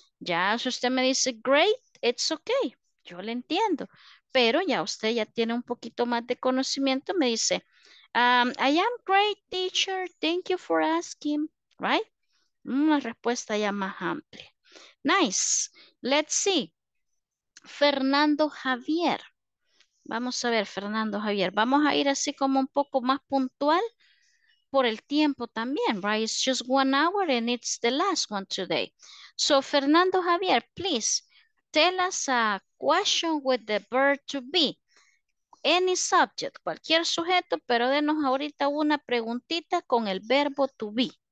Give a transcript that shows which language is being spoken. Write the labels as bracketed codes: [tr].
[es] Ya si usted me dice [en] great, it's okay. [es] Yo le entiendo. Pero ya usted ya tiene un poquito más de conocimiento. Me dice, [en] I am great, teacher. Thank you for asking. Right? [es] Una respuesta ya más amplia. Nice. [en] Let's see. [es] Fernando Javier. Vamos a ver, Fernando Javier. Vamos a ir así como un poco más puntual por el tiempo también. [en] Right? It's just 1 hour and it's the last one today. So, Fernando Javier, please. Tell us a question with the verb to be. Any subject, [es] cualquier sujeto, pero denos ahorita una preguntita con el verbo to be.